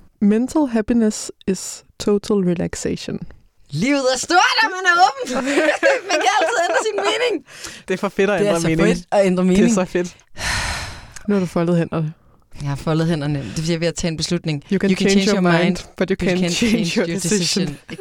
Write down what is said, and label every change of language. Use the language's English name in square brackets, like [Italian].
[English] Mental happiness is total relaxation. [Danish] Livet er stort, og man er åben. Man kan altid ændre sin mening. Det er for fedt at ændre mening. Det er så fedt at ændre mening. Det er så fedt. Nu har du foldet hænderne. Jeg har foldet hænderne. Det er fordi, jeg er ved at tage en beslutning. [English] You can change your mind, but you can't change your decision.